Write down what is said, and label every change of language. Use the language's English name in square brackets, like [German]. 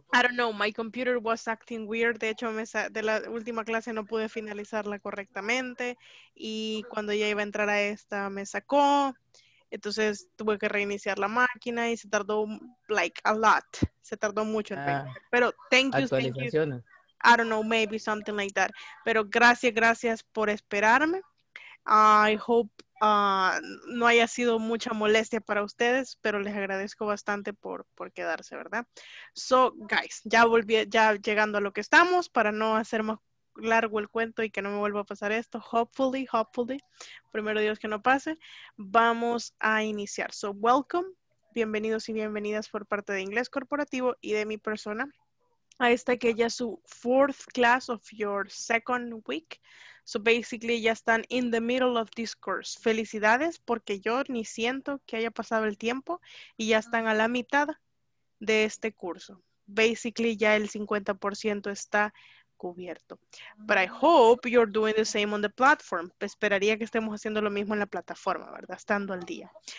[English] I don't know, my computer was acting weird. [Spanish] De hecho, de la última clase no pude finalizarla correctamente. Y cuando ya iba a entrar a esta, me sacó. Entonces, tuve que reiniciar la máquina y se tardó, [English] like, a lot. [Spanish] Se tardó mucho en venir. Ah, [English] Pero, thank you, [Spanish] actualizaciones. [English] I don't know, maybe something like that. [Spanish] Pero gracias, gracias por esperarme. [English] I hope [Spanish] no haya sido mucha molestia para ustedes, pero les agradezco bastante por quedarse, ¿verdad? [English] So, guys, [Spanish] ya volví, ya llegando a lo que estamos, para no hacer más largo el cuento y que no me vuelva a pasar esto. [English] Hopefully, hopefully, [Spanish] primero Dios que no pase, vamos a iniciar. [English] So, welcome, [Spanish] bienvenidos y bienvenidas por parte de Inglés Corporativo y de mi persona. A esta que ya es su [English] fourth class of your second week. So basically [Spanish] ya están [English] in the middle of this course. [Spanish] Felicidades porque yo ni siento que haya pasado el tiempo y ya están a la mitad de este curso. [English] Basically [Spanish] ya el 50% está cubierto. [English] But I hope you're doing the same on the platform. [Spanish] Esperaría que estemos haciendo lo mismo en la plataforma, ¿verdad? Estando al día.